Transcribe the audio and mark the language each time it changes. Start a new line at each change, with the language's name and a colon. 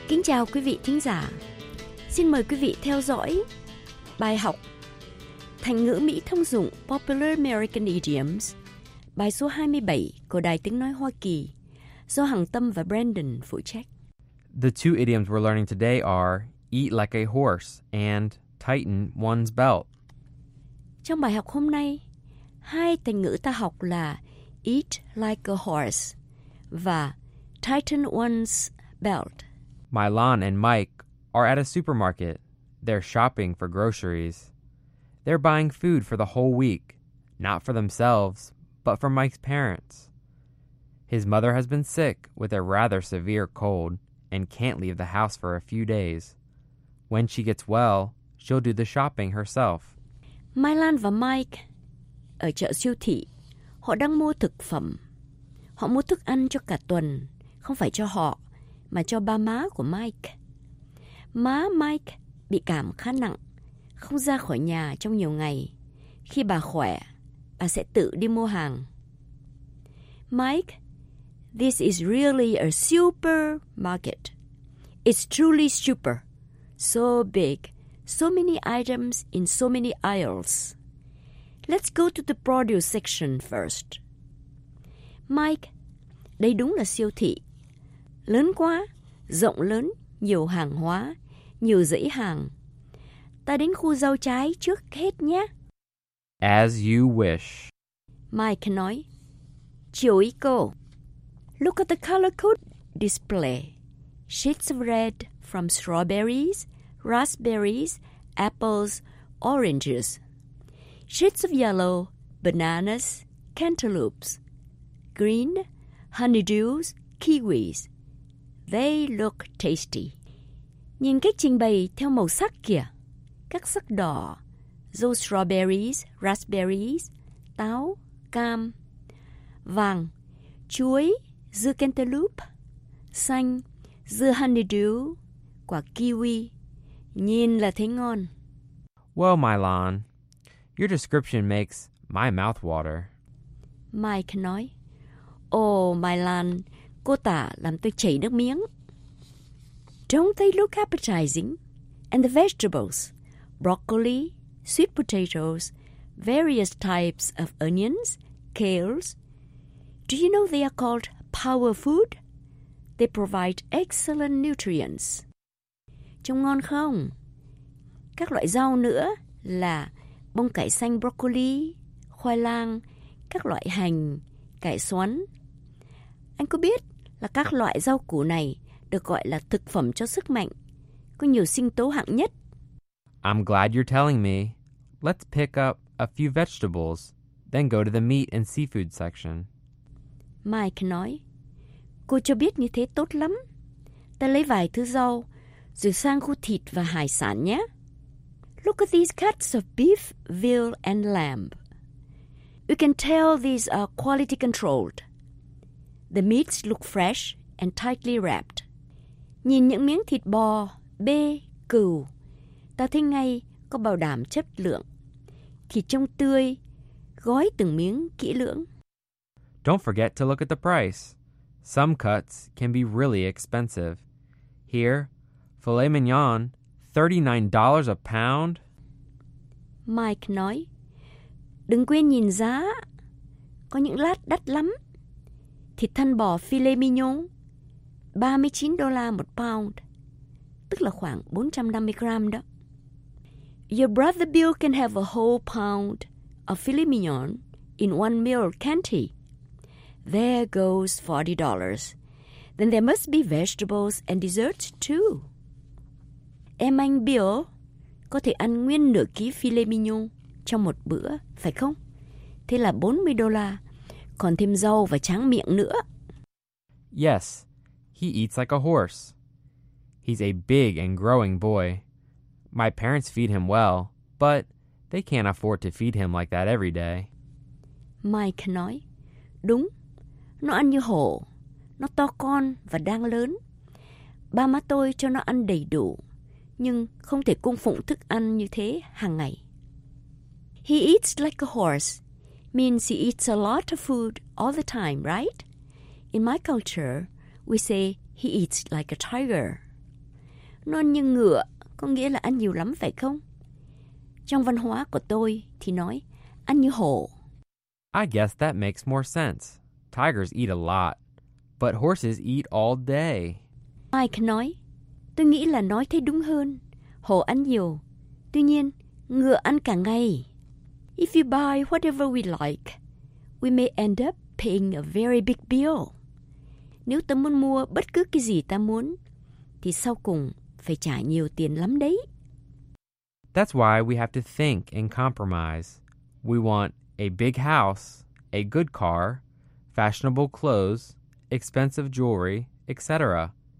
Vietnamese: chào quý vị thính giả. Xin mời quý vị theo dõi bài học Thành ngữ Mỹ thông dụng
English: Popular American Idioms,
Vietnamese: bài số 27 của Đài Tiếng Nói Hoa Kỳ, do Hằng Tâm và Brandon phụ trách.
English: The two idioms we're learning today are eat like a horse and tighten one's belt.
Vietnamese: Trong bài học hôm nay, hai thành ngữ ta học là
English: eat like a horse
Vietnamese: và
English: tighten one's belt. Mylon and Mike are at a supermarket. They're shopping for groceries. They're buying food for the whole week, not for themselves, but for Mike's parents. His mother has been sick with a rather severe cold and can't leave the house for a few days. When she gets well, she'll do the shopping herself.
Vietnamese: Mylon và Mike ở chợ siêu thị. Họ đang mua thực phẩm. Họ mua thức ăn cho cả tuần, không phải cho họ, mà cho ba má của Mike. Má Mike bị cảm khá nặng, không ra khỏi nhà trong nhiều ngày. Khi bà khỏe, bà sẽ tự đi mua hàng.
English: Mike, this is really a supermarket. It's truly super. So big, so many items in so many aisles. Let's go to the produce section first.
Vietnamese: Mike, đây đúng là siêu thị. Lớn quá, rộng lớn, nhiều hàng hóa, nhiều dãy hàng. Ta đến khu rau trái trước hết nhé.
English: As you wish.
Vietnamese: Mike nói, chiều ý cô.
English: Look at the color code display. Shades of red from strawberries, raspberries, apples, oranges. Shades of yellow, bananas, cantaloupes. Green, honeydews, kiwis. They look tasty. Nhìn cách trình bày theo màu sắc kìa. Các sắc đỏ, those strawberries, raspberries, táo, cam, vàng, chuối, dưa cantaloupe, xanh, dưa honeydew, quả kiwi, nhìn là thấy ngon. Well, Mylon, your description makes my mouth water.
Vietnamese: Mike nói, Mylon, cô tả làm tôi chảy nước miếng.
English: Don't they look appetizing? And the vegetables? Broccoli, sweet potatoes, various types of onions, kales. Do you know they are called power food? They provide excellent nutrients.
Vietnamese: Trông ngon không? Các loại rau nữa là bông cải xanh broccoli, khoai lang, các loại hành, cải xoăn. Anh có biết là các loại rau củ này được gọi là thực phẩm cho sức mạnh, có nhiều sinh tố hạng nhất?
English: I'm glad you're telling me. Let's pick up a few vegetables, then go to the meat and seafood section.
Vietnamese: Mike nói, cô cho biết như thế tốt lắm. Ta lấy vài thứ rau, rồi sang khu thịt và hải sản nhé.
English: Look at these cuts of beef, veal and lamb. You can tell these are quality controlled. The meats look fresh and tightly wrapped.
Vietnamese: Nhìn những miếng thịt bò, bê, cừu. Ta thấy ngay có bảo đảm chất lượng. Thịt trông tươi, gói từng miếng kỹ lưỡng.
English: Don't forget to look at the price. Some cuts can be really expensive. Here, filet mignon, $39 a pound.
Vietnamese: Mike nói, đừng quên nhìn giá. Có những lát đắt lắm. Thịt thân bò filet mignon, $39 một pound. Tức là khoảng 450 gram đó.
English: Your brother Bill can have a whole pound of filet mignon in one meal, can't he? There goes $40. Then there must be vegetables and desserts too.
Vietnamese: Em anh Bill có thể ăn nguyên nửa ký filet mignon trong một bữa, phải không? Thế là $40, còn thêm rau và tráng miệng nữa.
English: Yes, he eats like a horse. He's a big and growing boy. My parents feed him well, but they can't afford to feed him like that every day.
Vietnamese: Mike nói, đúng, nó ăn như hổ, nó to con và đang lớn. Ba má tôi cho nó ăn đầy đủ, nhưng không thể cung phụng thức ăn như thế hàng ngày.
English: He eats like a horse means he eats a lot of food all the time, right? In my culture, we say he eats like a tiger.
Vietnamese: Non như ngựa có nghĩa là ăn nhiều lắm phải không? Trong văn hóa của tôi thì nói ăn như hổ.
English: I guess that makes more sense. Tigers eat a lot, but horses eat all day.
Vietnamese: Mike nói, tôi nghĩ là nói thế đúng hơn. Hổ ăn nhiều, tuy nhiên ngựa ăn cả ngày.
English: If you buy whatever we like, we may end up paying a very big bill.
Vietnamese: Nếu ta muốn mua bất cứ cái gì ta muốn, thì sau cùng phải trả nhiều tiền lắm đấy.
English: That's why we have to think and compromise. We want a big house, a good car, fashionable clothes, expensive jewelry, etc.